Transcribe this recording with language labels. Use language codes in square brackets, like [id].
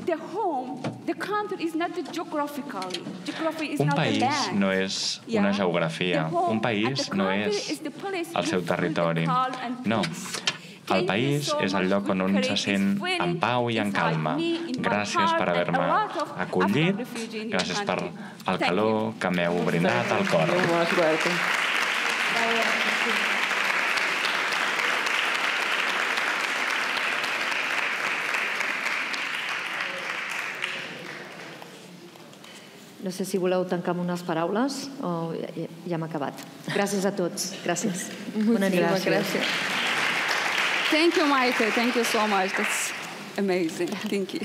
[en] The home, the country is not geographically. Geography is [ca] un país no és una geografia. Yeah? Un país no és el seu territori. No. El país és el lloc on un se sent en pau i en calma. Gràcies per haver-me acollit, gràcies per el calor que m'heu brindat al cor. No sé si voleu tancar amb unes paraules o ja hem acabat. Gràcies a tots. Gràcies. Bona nit. Gràcies. [en] Thank you, Maite. Thank you so much. That's amazing. Thank you.